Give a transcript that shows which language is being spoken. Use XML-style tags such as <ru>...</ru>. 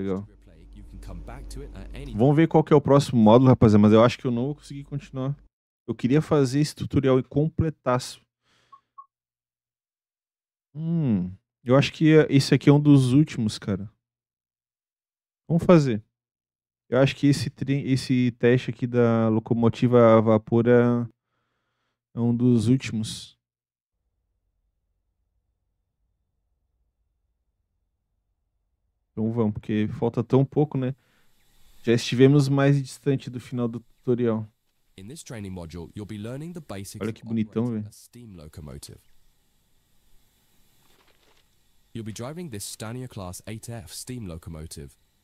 <en>You can come back to it at any...</en> <pt>Vamos ver qual que é o próximo módulo, rapaziada, mas eu acho que eu não vou conseguir continuar. Eu queria fazer esse tutorial e completasse. Eu acho que esse aqui é um dos últimos, cara. Vamos fazer. Eu acho que esse teste aqui da locomotiva a vapor é um dos últimos. Então vamos, porque falta tão pouco, né? Já estivemos mais distante do final do tutorial.</pt> <en>In this training module, you'll be learning the basics of operating a steam locomotive. You'll be driving this Scania Class 8F steam locomotive.</en>